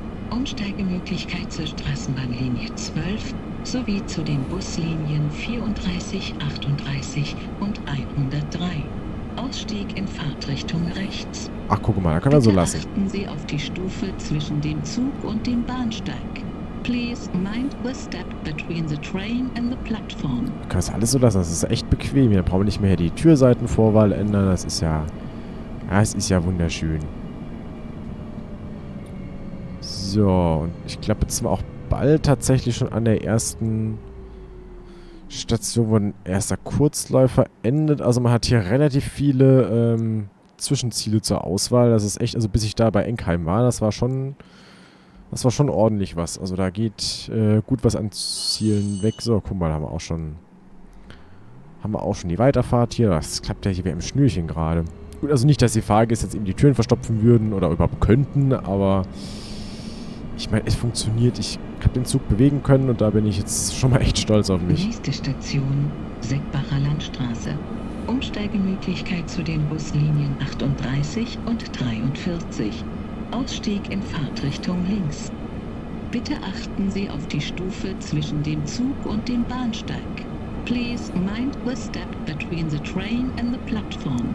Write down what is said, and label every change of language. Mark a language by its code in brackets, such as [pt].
[de] Umsteigemöglichkeit zur Straßenbahnlinie 12 sowie zu den Buslinien 34, 38 und 103. Ausstieg in Fahrtrichtung rechts. Ach, guck mal, da können wir so lassen. Bitte achten Sie auf die Stufe zwischen dem Zug und dem Bahnsteig. [en] Please mind the step between the train and the platform. [de] Da können wir das alles so lassen, das ist echt bequem. Da brauchen wir nicht mehr die Türseitenvorwahl ändern. Das ist ja... Ja, es ist ja wunderschön. So, und ich glaube, jetzt sind wir auch bald tatsächlich schon an der ersten Station, wo ein erster Kurzläufer endet. Also man hat hier relativ viele Zwischenziele zur Auswahl. Das ist echt, also bis ich da bei Enkheim war, das war schon ordentlich was. Also da geht gut was an Zielen weg. So, guck mal, haben wir auch schon die Weiterfahrt hier. Das klappt ja hier wie im Schnürchen gerade. Gut, also nicht, dass die Fahrgäste jetzt eben die Türen verstopfen würden oder überhaupt könnten, aber... Ich meine, es funktioniert. Ich habe den Zug bewegen können und da bin ich jetzt schon mal echt stolz auf mich. Nächste Station, Seckbacher Landstraße. Umsteigemöglichkeit zu den Buslinien 38 und 43. Ausstieg in Fahrtrichtung links. Bitte achten Sie auf die Stufe zwischen dem Zug und dem Bahnsteig. [en] Please mind the step between the train and the platform.